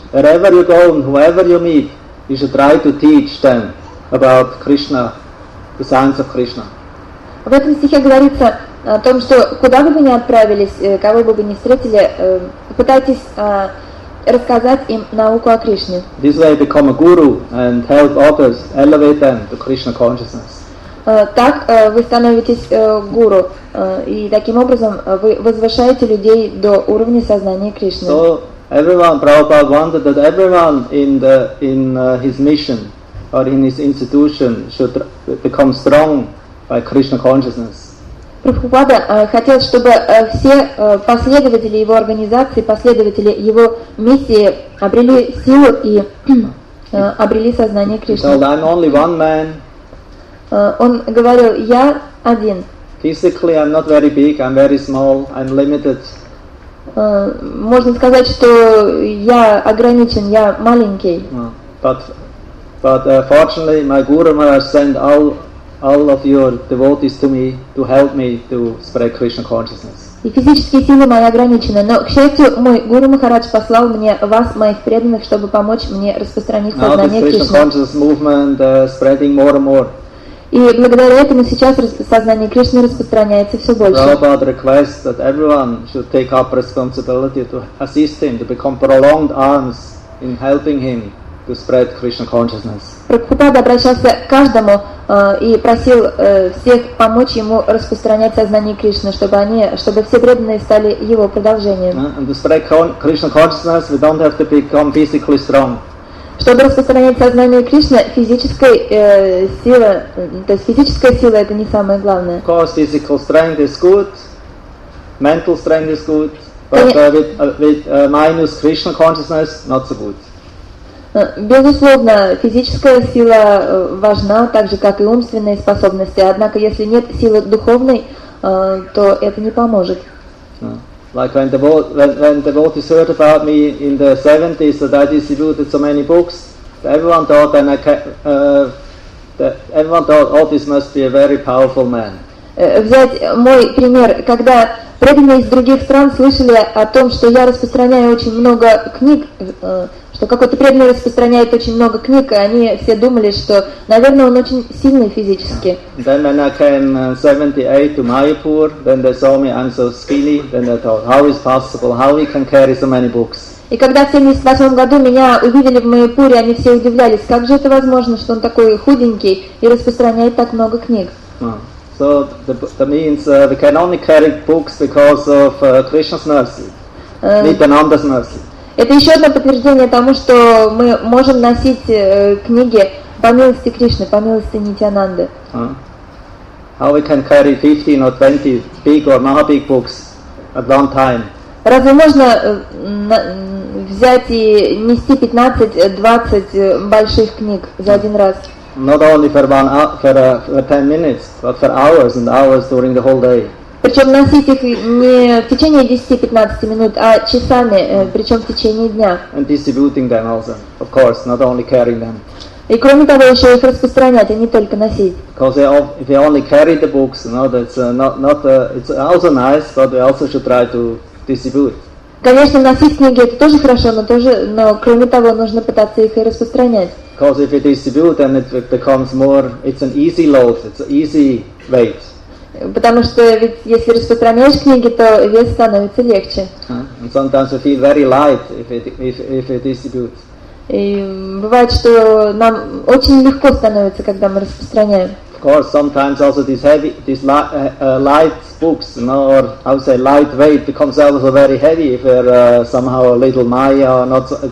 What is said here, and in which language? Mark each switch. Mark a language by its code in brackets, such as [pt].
[en] Wherever you go and whoever you meet, you should try to teach them about Krishna, the science of Krishna. [ru] В этом стихе говорится о том, что куда бы вы ни отправились, кого бы вы ни встретили, пытайтесь рассказать им науку о Кришне. [en] This way become a guru and help others elevate them to Krishna consciousness. [ru] Так вы становитесь гуру, и таким образом вы возвышаете людей до уровня сознания Кришны. [en] So everyone, Prabhupada wanted that everyone in his mission or in his institution should become strong by Krishna consciousness. [ru] Прабхупада хотел, чтобы все последователи его организации, последователи его миссии обрели силу и обрели сознание Кришны. [en] So I'm only one man. [ru] Он говорил, я один. [en] Physically, I'm not very big, I'm very small, I'm limited. [ru] Можно сказать, что я ограничен, я маленький. [en] But fortunately, my Guru Maharaj sent all of your devotees to me to help me to spread Krishna consciousness. [ru] И физические силы мои ограничены, но, к счастью, мой Гуру Махарадж послал мне вас, моих преданных, чтобы помочь мне распространить сознание Кришны. [en] Now this Krishna consciousness movement spreading more and more. [ru] И благодаря этому сейчас сознание Кришны распространяется все больше. [en] Prabhupada requests that everyone should take up responsibility to assist him, to become prolonged arms in helping him to spread Krishna consciousness. [ru] Прабхупада обращался к каждому и просил всех помочь ему распространять сознание Кришны, чтобы все преданные стали его продолжением. [en] And to spread Krishna consciousness, we don't have to become physically strong. [ru] Чтобы распространять сознание Кришны, физическая сила, то есть физическая сила, это не самое главное. [en] Of course, physical strength is good, mental strength is good, but with minus Krishna consciousness, not so good. [ru] Безусловно, физическая сила важна, так же как и умственные способности. Однако, если нет силы духовной, то это не поможет. [en] Like when the devotees heard about me in the 70s that I distributed so many books, everyone thought, oh, this must be a very powerful man. [ru] Взять мой пример, когда преданные из других стран слышали о том, что я распространяю очень много книг, что какой-то преданный распространяет очень много книг, и они все думали, что, наверное, он очень сильный физически. [en] Then when I came 78 to Mayapur, then they saw me, I'm so skinny, then they thought, how is possible, how he can carry so many books? [ru] И когда в 78 году меня увидели в Майяпуре, они все удивлялись, как же это возможно, что он такой худенький и распространяет так много книг? [en] So that means we can only carry books because of Krishna's mercy, Nityananda's mercy. [ru] Это еще одно подтверждение тому, что мы можем носить книги по милости Кришны, по милости Нитьянанды. [en] How we can carry 15 or 20 big or mega big books at one time? [ru] Разве можно взять и нести 15-20 больших книг за один раз? [en] Not only for one hour, for 10 minutes, but for hours and hours during the whole day. [ru] Причем носить их не в течение 10-15 минут, а часами, причем в течение дня. [en] And distributing them also, of course, not only carrying them. [ru] И кроме того, еще их распространять, а не только носить. [en] Because if you only carry the books, you know, that's it's also nice, but we also should try to distribute. [ru] Конечно, носить книги это тоже хорошо, но кроме того, нужно пытаться их и распространять. [en] Because if you distribute, then it becomes more, it's an easy load, it's an easy weight. [ru] Потому что ведь если распространяешь книги, то вес становится легче. [en] And sometimes we feel very light if it distributes. [ru] И бывает, что нам очень легко становится, когда мы распространяем. [en] Of course, sometimes also these heavy, these light books, you know, or I would say lightweight, becomes also very heavy if they're somehow a little maya or not.